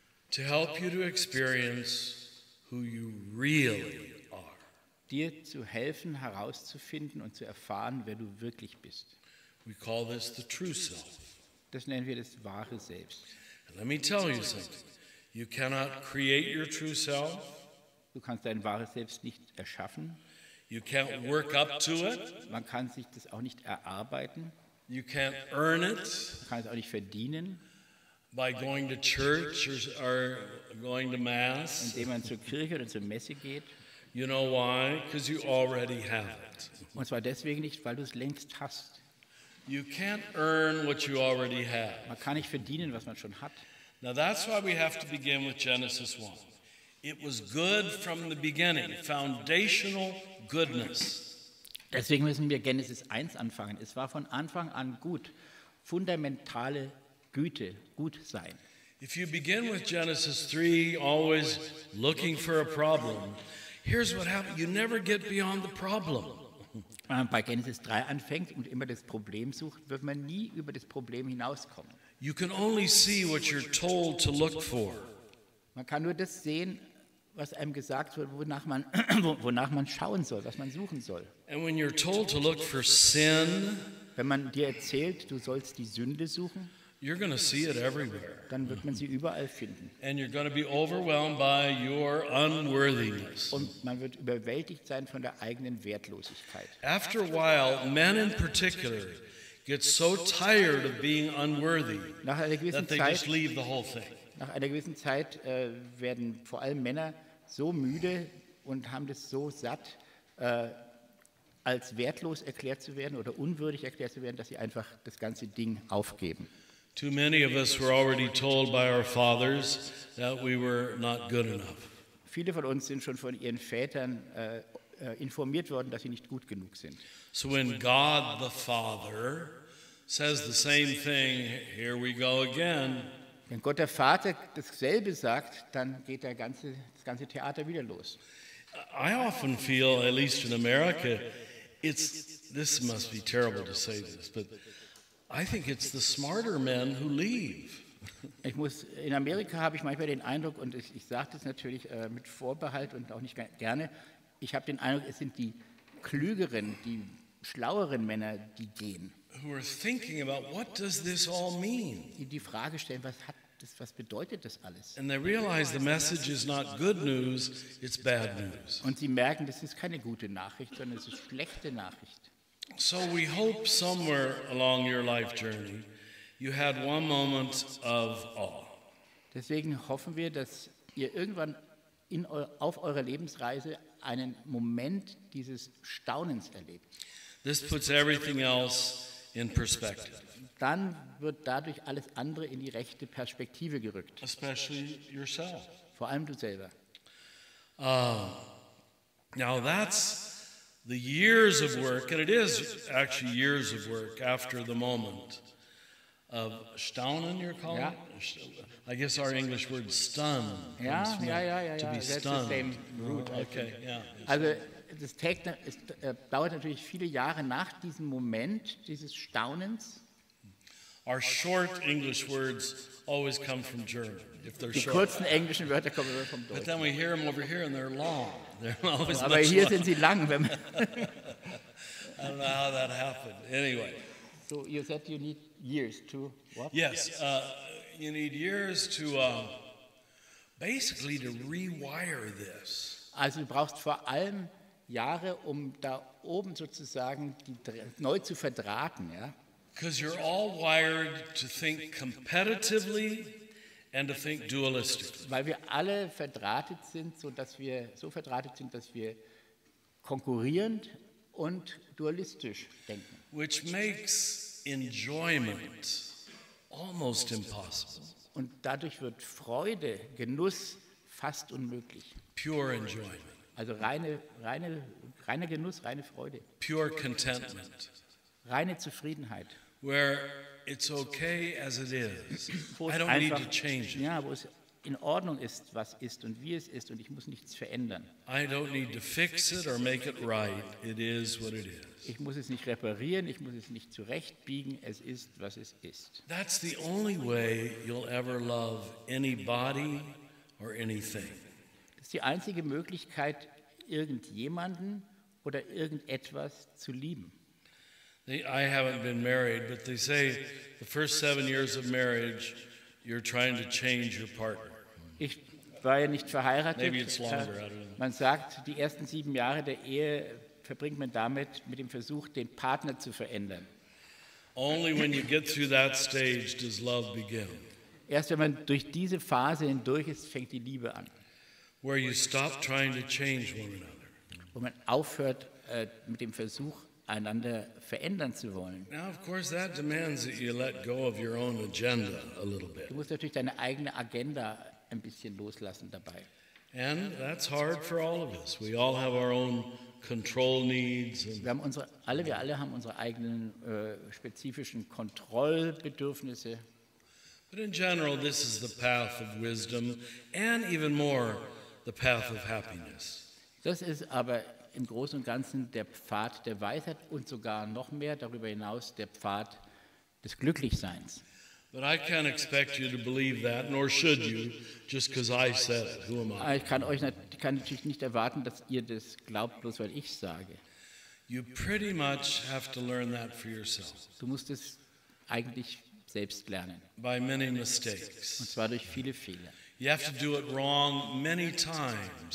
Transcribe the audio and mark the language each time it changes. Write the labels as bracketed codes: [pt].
[en] To help you to experience who you really are. [de] Dir zu helfen, herauszufinden und zu erfahren, wer du wirklich bist. [en] We call this the true self. [de] Das nennen wir das wahre Selbst. [en] Let me tell you something. You cannot create your true self. [de] Du kannst dein wahres Selbst nicht erschaffen. [en] You can't work up to it. [de] Man kann sich das auch nicht erarbeiten. [en] You can't earn it. [de] Man kann es auch nicht verdienen. [en] By going to church or going to mass. [de] Indem man zur Kirche oder zur Messe geht. [en] You know why? Because you already have it. [de] Und zwar deswegen nicht, weil du es längst hast. [en] You can't earn what you already have. [de] Man kann nicht verdienen, was man schon hat. [en] Now that's why we have to begin with Genesis 1. It was good from the beginning, foundational goodness. [de] Deswegen müssen wir Genesis 1 anfangen. Es war von Anfang an gut, fundamentale Güte, gut sein. [en] If you begin with Genesis 3 always looking for a problem, here's what happens, you never get beyond the problem. [de] Wenn man bei Genesis 3 anfängt und immer das Problem sucht, wird man nie über das Problem hinauskommen. [en] You can only see what you're told to look for. [de] Man kann nur das sehen, was einem gesagt wird, wonach man schauen soll, was man suchen soll. [en] And when you're told to look for sin, [de] wenn man dir erzählt, du sollst die Sünde suchen, [en] you're going to see it everywhere. [de] Dann wird man sie überall finden. [en] And you're going to be overwhelmed by your unworthiness. [de] Und man wird überwältigt sein von der eigenen Wertlosigkeit. [en] After a while, men in particular get so tired of being unworthy that they just leave the whole thing. [de] Nach einer gewissen Zeit werden vor allem Männer so müde und haben das so satt, als wertlos erklärt zu werden oder unwürdig erklärt zu werden, dass sie einfach das ganze Ding aufgeben. [en] Too many of us were already told by our fathers that we were not good enough. [de] Viele von uns sind schon von ihren Vätern informiert worden, dass sie nicht gut genug sind. [en] So when God the Father says the same thing, here we go again. [de] Wenn Gott der Vater dasselbe sagt, dann geht das ganze Theater wieder los. [en] I often feel, at least in America, this must be terrible to say this, but I think it's the smarter men who leave. [de] In Amerika habe ich manchmal den Eindruck, und ich sage das natürlich mit Vorbehalt und auch nicht gerne, ich habe den Eindruck, es sind die klügeren, die schlaueren Männer, die gehen. [en] Who are thinking about what does this all mean? [de] Die Frage stellen, was bedeutet das alles? [en] And they realize the message is not good news, it's bad news. [de] Und sie merken, das ist keine gute Nachricht, sondern es ist schlechte Nachricht. [en] So we hope somewhere along your life journey you had one moment of awe. [de] Deswegen hoffen wir, dass ihr irgendwann auf eurer Lebensreise einen Moment dieses Staunens erlebt. [en] This puts everything else in perspective. [de] Dann wird dadurch alles andere in die rechte Perspektive gerückt. [en] Especially yourself. [de] Vor allem du selber. [en] Now that's the years of work, and it is actually years of work after the moment of staunen, you're calling it? Yeah. I guess our English word stun comes from be that's stunned. The same root, okay, [de] Das dauert natürlich viele Jahre nach diesem Moment dieses Staunens. [en] Our short English words always come from German. If they're short. [de] Die kurzen englischen Wörter kommen immer vom Deutschen. [en] But then we hear them over here and they're long. [de] Aber hier sind sie lang. [en] I don't know how that happened. Anyway. So you said you need years to what? Yes, you need years to basically to rewire this. [de] Also du brauchst vor allem Jahre, um da oben sozusagen neu zu verdrahten, ja. [en] Because you're all wired to think competitively and to think dualistically. [de] Weil wir alle verdrahtet sind, dass wir konkurrierend und dualistisch denken. [en] Which makes enjoyment almost impossible. [de] Und dadurch wird Freude, Genuss fast unmöglich. [en] Pure enjoyment. [de] Also reine Genuss, reine Freude. [en] Pure contentment. [de] Reine Zufriedenheit. [en] Where it's okay as it is. I don't need to change it. [de] Ja, wo es in Ordnung ist, was ist und wie es ist, und ich muss nichts verändern. [en] I don't need to fix it or make it right. It is what it is. [de] Ich muss es nicht reparieren, ich muss es nicht zurechtbiegen, es ist, was es ist. [en] That's the only way you'll ever love anybody or anything. [de] Das ist die einzige Möglichkeit, irgendjemanden oder irgendetwas zu lieben. [en] I haven't been married, but they say the first 7 years of marriage you're trying to change your partner. [de] Ich war ja nicht verheiratet. [en] Maybe it's longer, I don't know. [de] Man sagt, die ersten 7 Jahre der Ehe verbringt man damit, mit dem Versuch, den Partner zu verändern. [en] Only when you get through that stage does love begin. [de] Erst wenn man durch diese Phase hindurch ist, fängt die Liebe an. [en] Where you stop trying to change one another. [de] Wo man aufhört, mit dem Versuch, einander verändern zu wollen. [en] Now, of course, that demands that you let go of your own agenda a little bit. [de] Du musst natürlich deine eigene Agenda ein bisschen loslassen dabei. [en] And that's hard for all of us. We all have our own control needs. [de] Wir alle haben unsere eigenen spezifischen Kontrollbedürfnisse. [en] But in general, this is the path of wisdom, and even more, the path of happiness. [de] Das ist aber im Großen und Ganzen der Pfad der Weisheit und sogar noch mehr darüber hinaus der Pfad des Glücklichseins. [en] But I can't expect you to believe that, nor should you, just because I said it. Who am I? [de] Ich kann natürlich nicht erwarten, dass ihr das glaubt, bloß weil ich sage. [en] You pretty much have to learn that for yourself. [de] Du musst es eigentlich selbst lernen. [en] By many mistakes. [de] Und zwar durch viele Fehler. [en] You have to do it wrong many times.